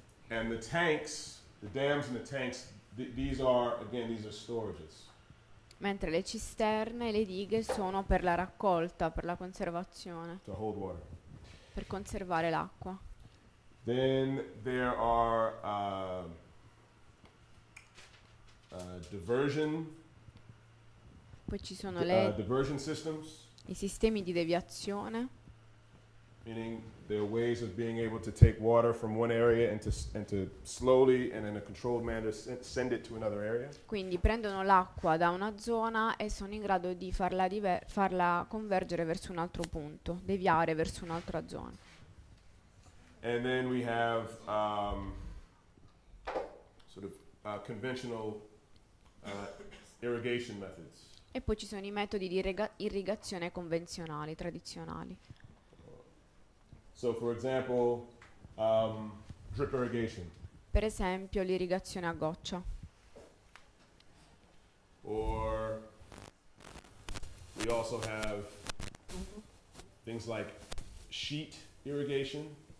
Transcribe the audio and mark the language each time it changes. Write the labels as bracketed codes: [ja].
[en] And the tanks, the dams and the tanks, these are storages. [it] Mentre le cisterne e le dighe sono per la raccolta, per la conservazione. [en] To hold water. [it] Per conservare l'acqua. [en] Then there are diversion. [it] Poi ci sono le [en] diversion systems. [it] I sistemi di deviazione. [en] Meaning there are ways of being able to take water from one area and to slowly and in a controlled manner send it to another area. [it] Quindi prendono l'acqua da una zona e sono in grado di farla convergere verso un altro punto, deviare verso un'altra zona. [en] And then we have sort of conventional irrigation methods. [it] E poi ci sono i metodi di irrigazione convenzionali, tradizionali. [en] So for example, drip irrigation. [it] Per esempio l'irrigazione a goccia. [en] Or we also have things like sheet irrigation.